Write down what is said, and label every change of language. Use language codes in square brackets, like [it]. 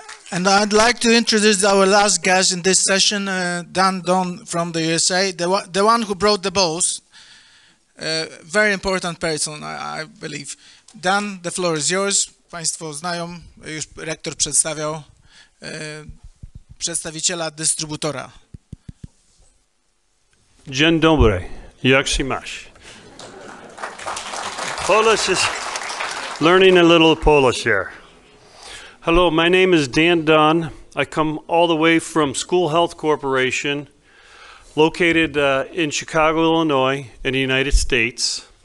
[en] And I'd like to introduce our last guest in this session, Dan Don from the USA, the one who brought the balls, very important person, I believe. Dan, the floor is yours. [pl] Państwo znają, już rektor przedstawiał przedstawiciela dystrybutora. Dzień dobry, jak się masz? [en] Polish is learning a little Polish here. Hello, my name is Dan Dunn. I come all the way from School Health Corporation, located in Chicago, Illinois, in the United States.